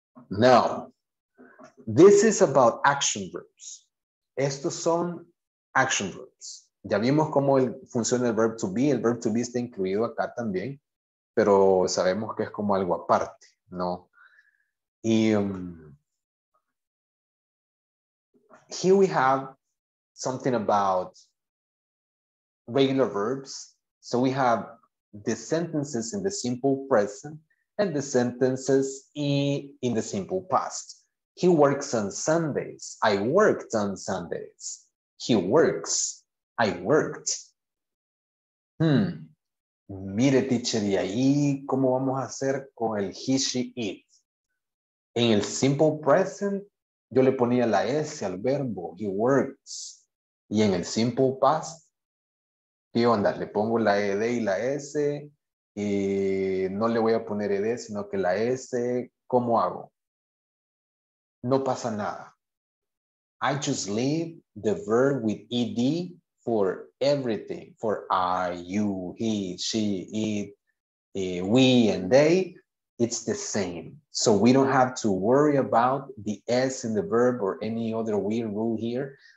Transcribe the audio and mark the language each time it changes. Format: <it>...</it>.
<en>Now, this is about action verbs.</en> <es>Estos son action verbs. Ya vimos cómo funciona el verb to be. El verb to be está incluido acá también, pero sabemos que es como algo aparte, ¿no?</es> <en>Y here we have something about regular verbs. So we have the sentences in the simple present and the sentences in the simple past. He works on Sundays. I worked on Sundays. He works. I worked.</en> <es>Mire, teacher, y ahí, ¿cómo vamos a hacer con el he, she, it? En el simple present, yo le ponía la S al verbo,</es> <en>he works.</en> <es>Y en el simple past, ¿qué onda? Le pongo la ED y la S, y no le voy a poner ED, sino que la S, ¿cómo hago? No pasa nada.</es> <en>I just leave the verb with ED for everything, for I, you, he, she, it, we, and they, it's the same. So we don't have to worry about the S in the verb or any other weird rule here.</en>